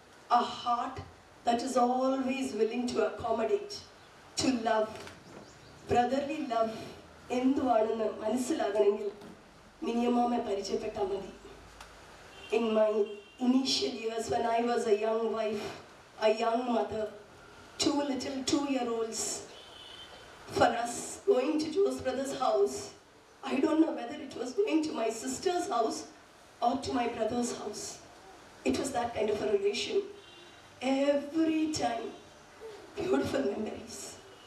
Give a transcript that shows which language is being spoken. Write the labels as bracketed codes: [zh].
[en] A heart that is always willing to accommodate, to love. Brotherly love. [ml] എന്തുവാണെന്ന് മനസ്സിലാകണമെങ്കിൽ മിനിയമ്മമ്മയെ പരിചയപ്പെട്ടാൽ മതി. [en] In my initial years when I was a young wife, a young mother, two little 2 year olds. For us going to Joe's brother's house, I don't know whether it was going to my sister's house or to my brother's house. It was that kind of a relation. Every time, beautiful memories.